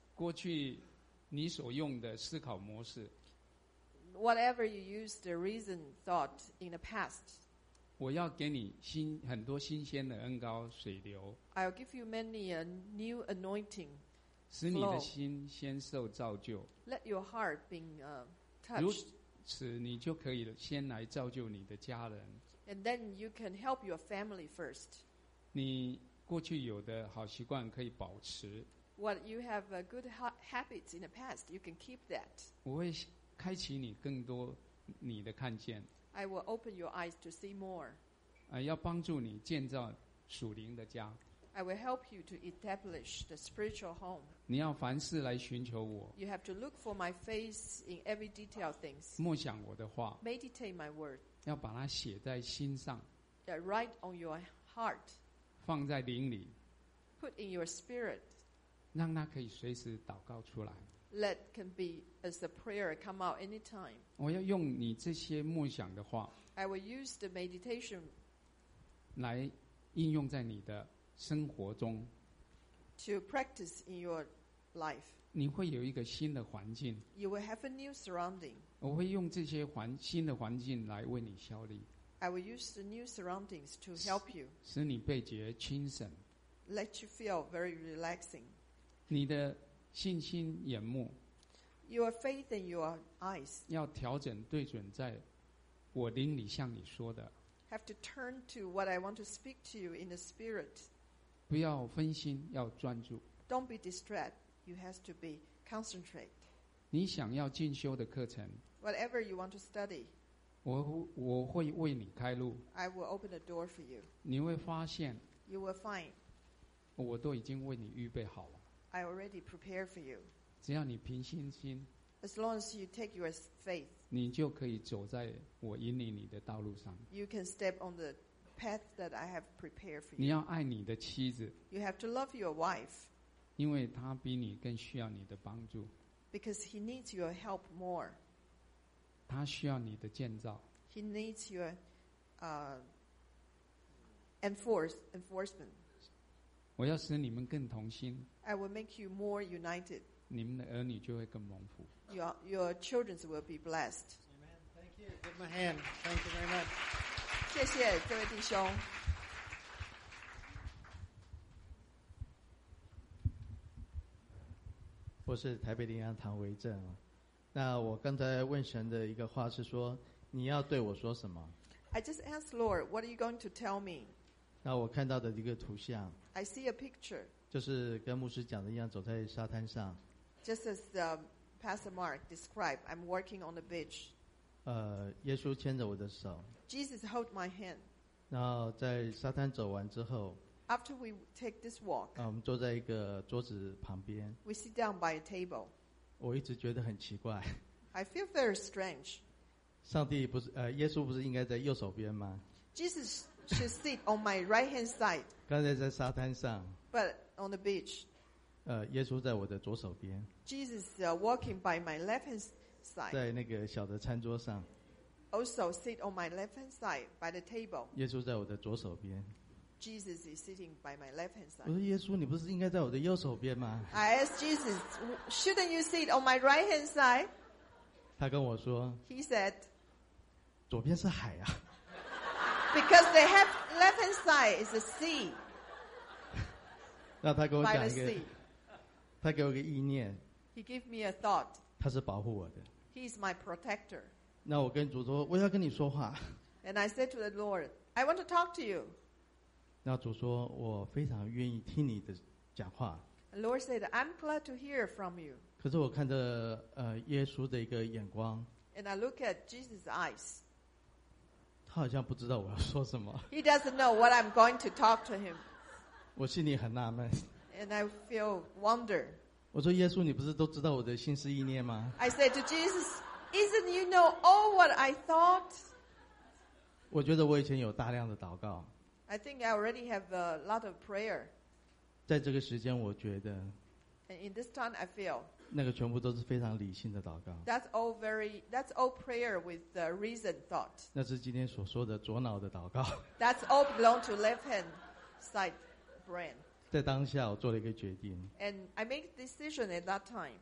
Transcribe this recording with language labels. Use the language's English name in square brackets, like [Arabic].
[Chinese] 过去你所用的思考模式。 [English] Whatever you used the reason thought in the past, [Chinese] 我要给你新很多新鲜的恩膏水流。 [English] I'll give you many a new anointing. [Chinese] 使你的心先受造就。 [English] Let your heart being touched. [Chinese] 如此，你就可以先来造就你的家人。 [English] And then you can help your family first. [Chinese] 你过去有的好习惯可以保持。 [English] What you have a good habits in the past, you can keep that. [Chinese] 我会。开启你更多你的看见。 [English] I will open your eyes to see more. [Chinese] 要帮助你建造属灵的家。 [English] I will help you to establish the spiritual home. [Chinese] 你要凡事来寻求我。 [English] You have to look for my face in every detail things. [Chinese] 默想我的话。 [English] Meditate my word. [Chinese] 要把它写在心上。 [English] Yeah, write on your heart. [Chinese] 放在灵里。 [English] Put in your spirit. [Chinese] 让它可以随时祷告出来。 [English] Let can be as the prayer come out anytime. [Chinese] 我要用你这些默想的话 [English] I will use the meditation [Chinese] 来应用在你的生活中 [English] to practice in your life. [Chinese] 你会有一个新的环境 [English] You will have a new surrounding. [Chinese] 我会用这些新的环境来为你效力 [English] I will use the new surroundings to help you. [Chinese] 使你倍觉轻省 [English] Let you feel very relaxing. [Chinese] 你的信心眼目 [English] Your faith and your eyes [Chinese] 要调整对准在我灵里向你说的 [English] Have to turn to what I want to speak to you in the spirit [Chinese] 不要分心要专注 [English] Don't be distracted You have to be concentrate [Chinese] 你想要进修的课程 [English] Whatever you want to study [Chinese] 我会为你开路 [English] I will open the door for you [Chinese] 你会发现 [English] You will find [Chinese] 我都已经为你预备好了 [English] I already prepared for you. [Chinese] 只要你凭信心 [English] As long as you take your faith, [Chinese] 你就可以走在我引领你的道路上 [English] You can step on the path that I have prepared for you. [Chinese] 你要爱你的妻子 [English] You have to love your wife. [Chinese] 因为她比你更需要你的帮助 [English] Because he needs your help more. [Chinese] 她需要你的建造 [English] He needs your enforcement. [Chinese] 我要使你们更同心 [English] I will make you more united. [Chinese] 你们的儿女就会更蒙福。 [English] Your children will be blessed. Amen. Thank you. Give them a hand. Thank you very much. [Chinese] 谢谢这位弟兄。我是台北林洋堂维正。那我刚才问神的一个话是说，你要对我说什么 [English] ？I just asked Lord, what are you going to tell me? [Chinese] 那我看到的一个图像。 [English] I see a picture. [Chinese] 就是跟牧师讲的一样，走在沙滩上。 [English] Just as the Pastor Mark described, I'm walking on the beach. [Chinese] 耶稣牵着我的手。 [English] Jesus held my hand. [Chinese] 然后在沙滩走完之后。 [English] After we take this walk. [Chinese] 我们坐在一个桌子旁边。 [English] We sit down by a table. [Chinese] 我一直觉得很奇怪。 [English] I feel very strange. [Chinese] 上帝不是耶稣不是应该在右手边吗 [English] ？Jesus should sit on my right hand side. [Chinese] 刚才在沙滩上。 [English] But on the beach, [Chinese] 耶稣在我的左手边。 [English] Jesus walking by my left hand side. [Chinese] 在那个小的餐桌上。 [English] Also sit on my left hand side by the table. [Chinese] 耶稣在我的左手边。 [English] Jesus is sitting by my left hand side. [Chinese] 我说耶稣，你不是应该在我的右手边吗 [English] ？I asked Jesus, shouldn't you sit on my right hand side? [Chinese] 他跟我说。 [English] He said, [Chinese] 左边是海啊。 [English] Because the left hand side is the sea. [Chinese] 那他给我讲一个，他给我一个意念。 [English] He gave me a thought. [Chinese] 他是保护我的。 [English] He is my protector. [Chinese] 那我跟主说，我要跟你说话。 [English] And I said to the Lord, I want to talk to you. [Chinese] 那主说，我非常愿意听你的讲话。 [English] The Lord said, I'm glad to hear from you. [Chinese] 可是我看着耶稣的一个眼光。 [English] And I look at Jesus' eyes. [Chinese] 他好像不知道我要说什么。 [English] He doesn't know what I'm going to talk to him. [Chinese] 我心里很纳闷。 [English] And I feel wonder. [Chinese] 我说耶稣，你不是都知道我的心思意念吗 [English] ？I said to Jesus, "Isn't you know all what I thought?" [Chinese] 我觉得我以前有大量的祷告。 [English] I think I already have a lot of prayer. [Chinese] 在这个时间，我觉得。 [English] And in this time, I feel. [Chinese] 那个全部都是非常理性的祷告。 [English] That's all prayer with the reason thought. [Chinese] 那是今天所说的左脑的祷告。 [English] That's all belong to left hand side. [Chinese] 在当下我做了一个决定 [English] And I make decision at that time